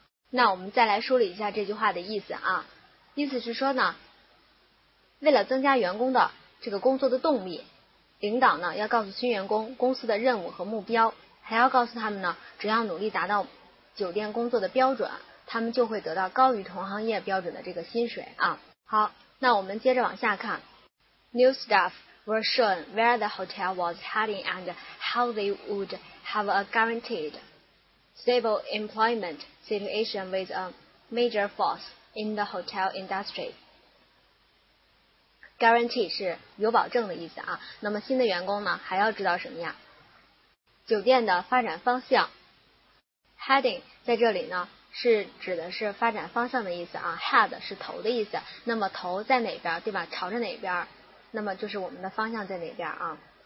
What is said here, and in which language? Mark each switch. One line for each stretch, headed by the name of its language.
Chinese: 那我们再来梳理一下这句话的意思啊，意思是说呢，为了增加员工的这个工作的动力，领导呢要告诉新员工公司的任务和目标，还要告诉他们呢，只要努力达到酒店工作的标准，他们就会得到高于同行业标准的这个薪水啊。好，那我们接着往下看。
English: New staff were shown where the hotel was heading and how they would have a guaranteed stable employmentsituation with a major force in the hotel industry.
Chinese: Guarantee 是有保证的意思啊。那么新的员工呢还要知道什么呀？酒店的发展方向。Heading 在这里呢是指的是发展方向的意思啊， head 是头的意思，那么头在哪边，对吧？朝着哪边，那么就是我们的方向在哪边啊。